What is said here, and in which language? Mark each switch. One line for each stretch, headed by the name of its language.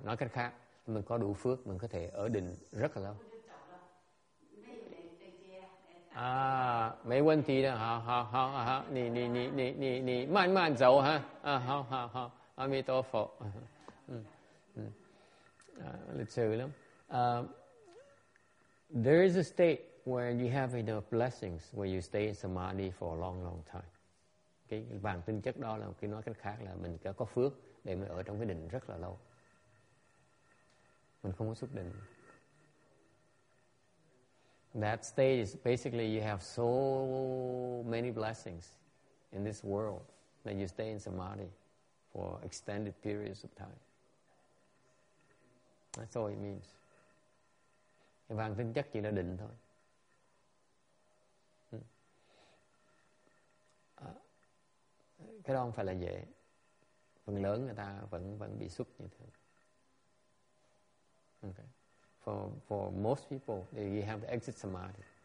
Vietnamese: Nói cách khác, mình có đủ phước, mình có thể ở định rất là lâu. À, mấy vấn đề đó, ha, nì, mạn mạn dấu ha, ha, A Di Đà Phật, lịch sử lắm.
English: There is a state where you have enough blessings where you stay in samadhi for a long, long time.
Vietnamese: Cái bản tính chất đó là cái nói cách khác là mình có phước để mình ở trong cái định rất là lâu. Mình không có xuất định.
English: That state is basically you have so many blessings in this world that you stay in samadhi for extended periods of time. That's all it means.
Vietnamese: Cái bản tính chất chỉ là định thôi. Cái đó không phải là dễ. Phần lớn người ta vẫn bị xuất như thế.
English: Okay. For most people, you have to exit samadhi.